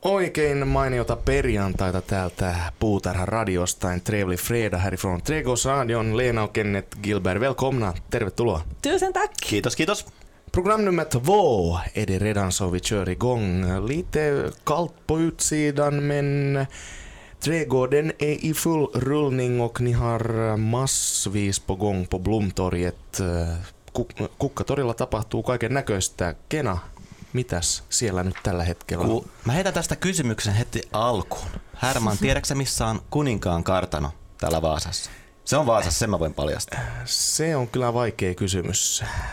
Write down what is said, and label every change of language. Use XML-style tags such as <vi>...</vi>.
<fi>Oikein mainiota perjantaita täältä Puutarha-radiosta.</fi> <sv>Trevli Freda härifrån Trädgårdsradion. Lena och Kenneth Gilbert, välkomna.</sv> <fi>Tervetuloa.</fi> <sv>Tusen tack.</sv> <fi>Kiitos, kiitos.</fi> <sv>Program nummer 2 är det redan så vi kör igång. Lite kallt på utsidan, men trädgården är i full rullning och ni har massvis på gång på Blomtorget.</sv> <fi>Kukkatorilla tapahtuu kaiken näköistä. Kena, mitäs siellä nyt tällä hetkellä? Mä heitän tästä kysymyksen heti alkuun. Härman, tiedätkö missä on kuninkaan kartano täällä Vaasassa? Se on Vaasassa, sen mä voin paljastaa. Se on kyllä vaikea kysymys.</fi>